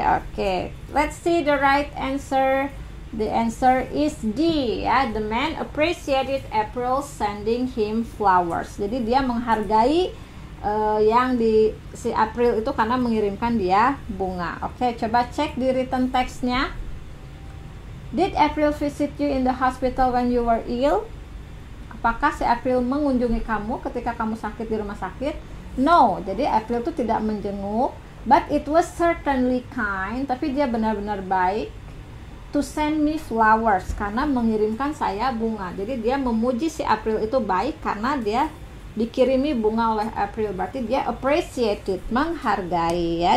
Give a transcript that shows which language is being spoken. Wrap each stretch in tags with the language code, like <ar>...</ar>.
<en>Oke, let's see the right answer. The answer is D ya. The man appreciated April sending him flowers.</en> <id>Jadi dia menghargai yang di si April itu karena mengirimkan dia bunga. Oke, coba cek di written text-nya.</id> <en>Did April visit you in the hospital when you were ill?</en> <id>Apakah si April mengunjungi kamu ketika kamu sakit di rumah sakit? No, jadi April itu tidak menjenguk.</id> <en>But it was certainly kind,</en> <id>tapi dia benar-benar baik.</id> <en>to send me flowers,</en> <id>karena mengirimkan saya bunga. Jadi dia memuji si April itu baik karena dia dikirimi bunga oleh April, berarti dia appreciated, menghargai ya.</id>